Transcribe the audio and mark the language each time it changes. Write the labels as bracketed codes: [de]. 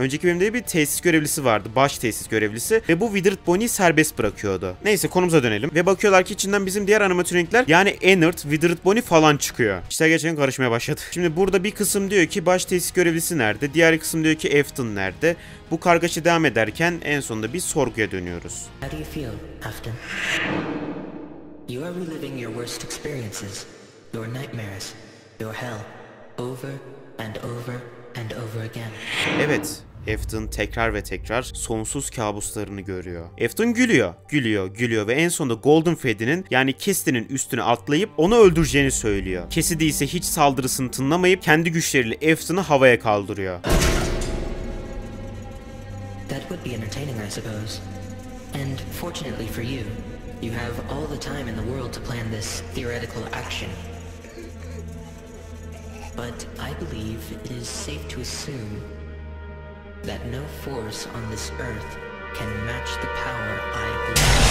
[tr] Önceki bölümde bir tesis görevlisi vardı. Baş tesis görevlisi. Ve bu Withered Bonnie'yi serbest bırakıyordu. Neyse konumuza dönelim. Ve bakıyorlar ki içinden bizim diğer animatronikler yani Enert, Withered Bonnie falan çıkıyor. İşte geçen karışmaya başladı. Şimdi burada bir kısım diyor ki baş tesis görevlisi nerede? Diğer kısım diyor ki Afton nerede? Bu kargaşa devam ederken en sonunda bir sorguya dönüyoruz. [en] How do you feel, Afton? You are reliving your worst experiences, your nightmares, your hell, over and over and over again. [tr] Evet. Afton tekrar ve tekrar sonsuz kabuslarını görüyor. Afton gülüyor, gülüyor, gülüyor ve en sonunda Golden Fade'nin yani Cassidy'nin üstüne atlayıp onu öldüreceğini söylüyor. Cassidy ise hiç saldırısını tınlamayıp kendi güçleriyle Afton'u havaya kaldırıyor. [en] That would be entertaining, I suppose. And fortunately for you, you have all the time in the world to plan this theoretical action. But I believe it is safe to assume that no force on this earth can match the power I believe.